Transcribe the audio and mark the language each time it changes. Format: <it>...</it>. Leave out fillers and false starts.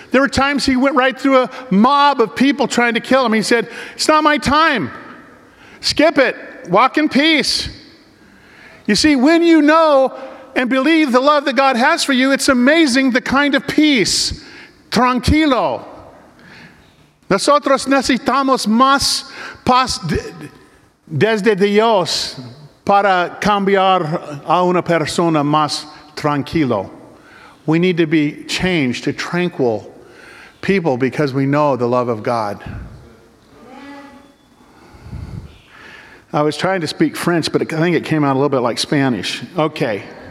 <en>There were times he went right through a mob of people trying to kill him. He said, it's not my time. Skip it. Walk in peace. You see, when you know and believe the love that God has for you, it's amazing the kind of peace.</en> <es>Tranquilo. Nosotros necesitamos más paz desde Dios para cambiar a una persona más tranquilo.</es> <en>We need to be changed to tranquil people because we know the love of God. I was trying to speak French, but I think it came out a little bit like Spanish. Okay.</en>